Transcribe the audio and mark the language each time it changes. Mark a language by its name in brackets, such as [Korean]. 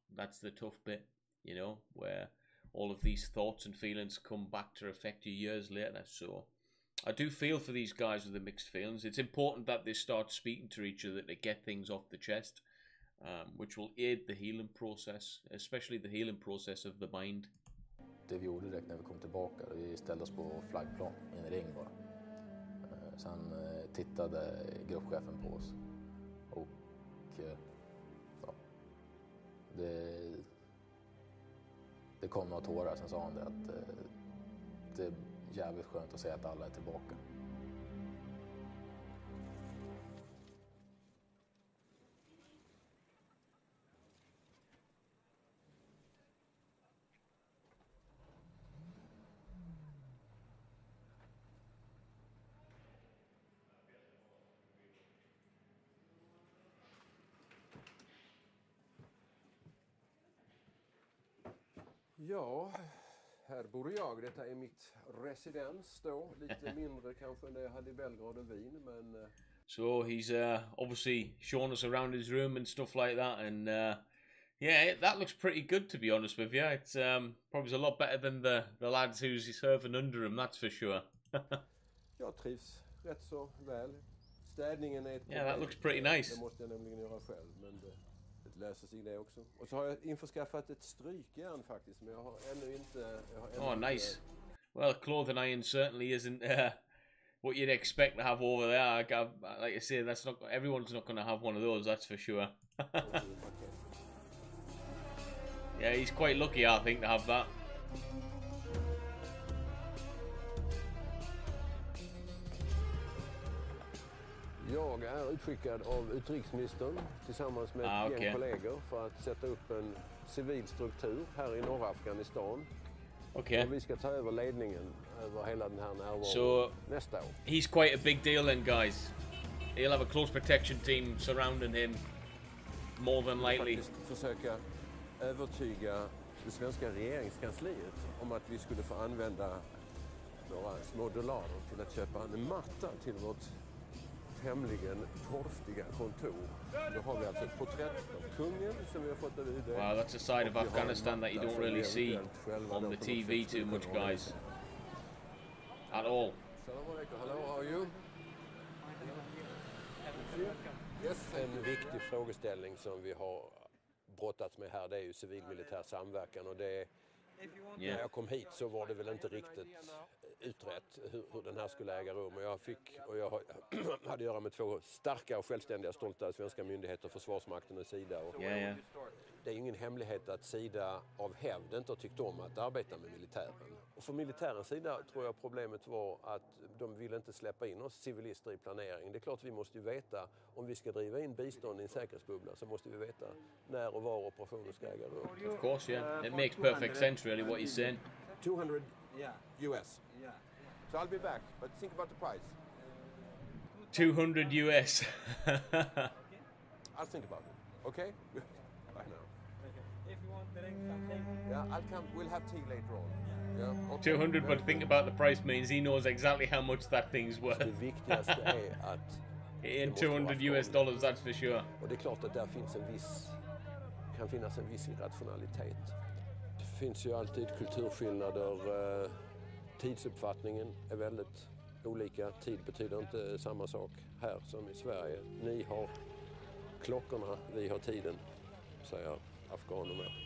[English] That's the tough bit, you know, where all of these thoughts and feelings come back to affect you years later. So I do feel for these guys with the mixed feelings. It's important that they start speaking to each other to get things off the chest, which will aid the healing process, especially the healing process of the mind. [Swedish] Det vi gjorde direkt när vi kom tillbaka, vi ställde oss på flaggplan i en ring bara. Sen tittade gruppchefen på oss och ja, det kom några tårar. Sen sa han det att det är jävligt skönt att se att alla är tillbaka. Ja, här bor jag. Detta är mitt residens då. Lite mindre kanske än det jag hade i Belgrad och Wien, men... [English] So he's obviously shown us around his room and stuff like that, and yeah, that looks pretty good, to be honest with you. It's probably a lot better than the lads who's serving under him, that's for sure. [Swedish] Jag trivs rätt så väl. Städningen är ett [English] problem. Yeah, that looks pretty nice. [Swedish] Det måste jag nämligen göra själv, men... läser sig det också. Och så har jag införskaffat ett strykjärn faktiskt, men jag har ännu inte... [English] Nice. Well, clothing iron certainly isn't what you'd expect to have over there. Like I say, that's not... everyone's not going to have one of those, that's for sure. Yeah, he's quite lucky, I think, to have that. [Swedish] Jag är utskickad av utrikesministern tillsammans med en kollegor för att sätta upp en civil struktur här i norra Afghanistan. [English] Okay. [Swedish] Och vi ska ta över ledningen över hela den här närvaron nästa år. [English] He's quite a big deal then, guys. He'll have a close protection team surrounding him more than likely. [Swedish] Jag ska försöka övertyga det svenska regeringskansliet om att vi skulle få använda våra små dollarer till att köpa en matta till vårt hemligen torftiga kontor. Då har vi alltså ett porträtt av kungen som vi har fått av UD. [English] Wow, that's a side of Afghanistan that you don't really see on the TV too much, guys. At all. Hello, how are you? [Swedish] Yes, en viktig frågeställning som vi har brottats med här, det är ju civil-militär samverkan, och det är, när jag kom hit så var det väl inte riktigt utrett hur den här skulle äga rum, och jag hade att göra med två starka och självständiga stolta svenska myndigheter, försvarsmakten och Sida. Och det är ingen hemlighet att Sida av hävd inte har tyckt om att arbeta med militären. Och för militärens sida tror jag problemet var att de ville inte släppa in oss civilister i planering. Det är klart, vi måste ju veta om vi ska driva in bistånd i en säkerhetsbubbla, så måste vi veta när och var operationen ska äga rum. [English] Of course, yeah. It makes perfect sense really what you're saying. 200 US. Yeah. So I'll be back, but think about the price. 200 US. I'll think about it. Okay? Bye now. If you want drink, I'll take. Yeah, I'll come. We'll have tea later on. Yeah. Okay. 200, but think about the price means he knows exactly how much that thing's worth. [Swedish] Det viktigaste är att [English] in 200 US dollars, that's for sure. [Swedish] Och det är klart att där finns en viss, kan finnas en viss irrationalitet. Det finns ju alltid kulturskillnader. Tidsuppfattningen är väldigt olika. Tid betyder inte samma sak här som i Sverige. Ni har klockorna, vi har tiden, säger afghanerna.